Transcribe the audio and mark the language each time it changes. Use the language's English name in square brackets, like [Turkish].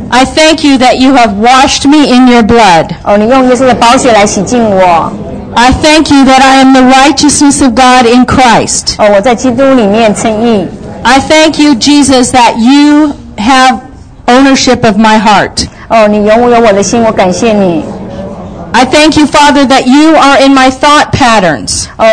[English] I thank you that you have washed me in your blood. [Chinese] 哦,你用耶稣的宝血来洗净我。 [English] I thank you that I am the righteousness of God in Christ. [Chinese] 哦,我在基督里面称义。 [English] I thank you, Jesus, that you have ownership of my heart. [Chinese] 哦,你拥有我的心,我感谢你。 [English] I thank you, Father, that you are in my thought patterns.